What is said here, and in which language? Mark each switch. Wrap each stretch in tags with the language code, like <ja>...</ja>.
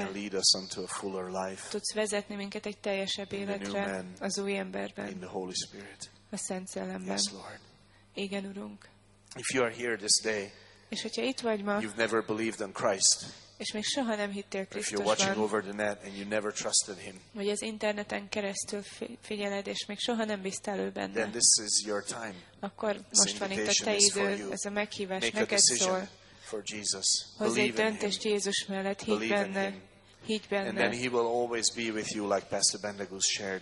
<en>Can lead us unto a fuller life.</en> <hu>Tudsz vezetni minket egy teljesebb</hu> <en>in</en> <hu>életre.</hu> <en>The new man,</en> <hu>az új emberben.</hu> <en>In the Holy Spirit.</en> <hu>A Szent Szellemben.</hu> <en>Yes, Lord.</en> <hu>Igen, Urunk.</hu> <en>If you are here this day,</en> <hu>és hogyha itt vagy ma,</hu> <en>you've never believed in Christ.</en> <hu>És még soha nem hittél Krisztusban.</hu> <en>If you're watching over the net and you never trusted him.</en> <hu>Vagy az interneten keresztül figyeled és még soha nem bíztál ő benne.</hu> <en>Then this is your time.</en> <hu>Akkor most van itt a te idő, ez a meghívás</hu> <en>Make</en> <hu>neked</hu> <en>a</en> <hu>szól.</hu> <en>For Jesus.</en> <hu>Hozz egy döntést Jézus mellett, hidd benne. Higgy benne.</hu> <en>And then he will always be with you like Pastor Bendegúz shared.</en>